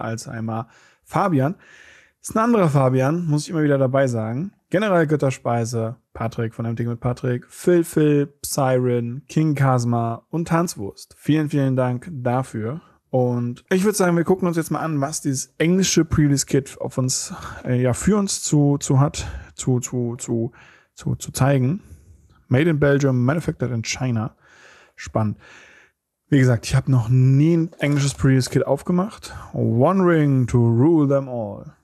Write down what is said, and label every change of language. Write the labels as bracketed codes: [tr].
[de] Alzheimer, Fabian, ist ein anderer Fabian, muss ich immer wieder dabei sagen, General Götterspeise, Patrick von MTG mit Patrick, Phil, Siren, King Kasma und Tanzwurst. Vielen, vielen Dank dafür. Und ich würde sagen, wir gucken uns jetzt mal an, was dieses englische Pre-List-Kit auf uns, für uns zu zeigen. [en] Made in Belgium, manufactured in China. [de] Spannend. Wie gesagt, ich habe noch nie ein englisches Pre-List Kit aufgemacht. [en] One Ring to rule them all.